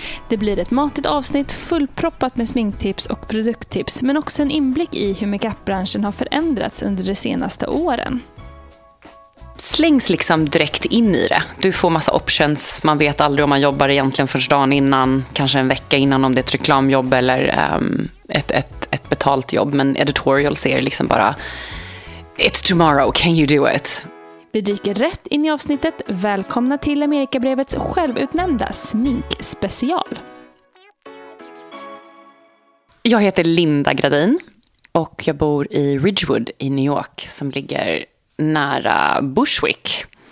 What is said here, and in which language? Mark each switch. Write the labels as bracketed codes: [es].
[sv] Det blir ett matigt avsnitt fullproppat med sminktips och produkttips, men också en inblick i hur make-up-branschen har förändrats under de senaste åren. Slängs liksom direkt in i det. Du får massa options, man vet aldrig om man jobbar egentligen först dagen innan, kanske en vecka innan om det är ett reklamjobb eller ett betalt jobb. Men editorials är liksom bara... [en] It's tomorrow, can you do it? [sv] Vi dyker rätt in i avsnittet. Välkomna till Amerikabrevets självutnämnda sminkspecial. Jag heter Linda Gradin och jag bor i Ridgewood i New York som ligger nära Bushwick.